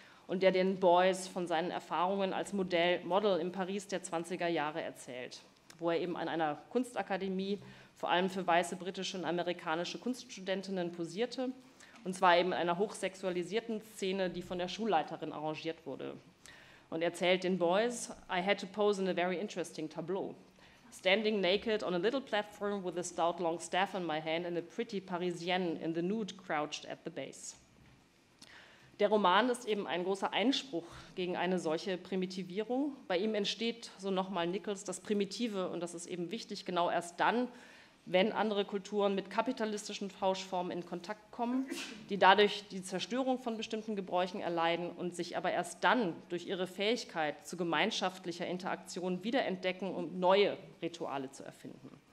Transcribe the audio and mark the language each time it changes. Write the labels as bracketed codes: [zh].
[de] und der den Boys von seinen Erfahrungen als Model in Paris der 20er Jahre erzählt, wo er eben an einer Kunstakademie vor allem für weiße britische und amerikanische Kunststudentinnen posierte, und zwar eben in einer hochsexualisierten Szene, die von der Schulleiterin arrangiert wurde. Und erzählt den Boys, [en] I had to pose in a very interesting tableau. Standing naked on a little platform with a stout long staff in my hand and a pretty Parisienne in the nude crouched at the base. [de] Der Roman ist eben ein großer Einspruch gegen eine solche Primitivierung. Bei ihm entsteht, so nochmal Nichols, das Primitive, und das ist eben wichtig, genau erst dann, wenn andere Kulturen mit kapitalistischen Tauschformen in Kontakt kommen, die dadurch die Zerstörung von bestimmten Gebräuchen erleiden und sich aber erst dann durch ihre Fähigkeit zu gemeinschaftlicher Interaktion wiederentdecken, um neue Rituale zu erfinden.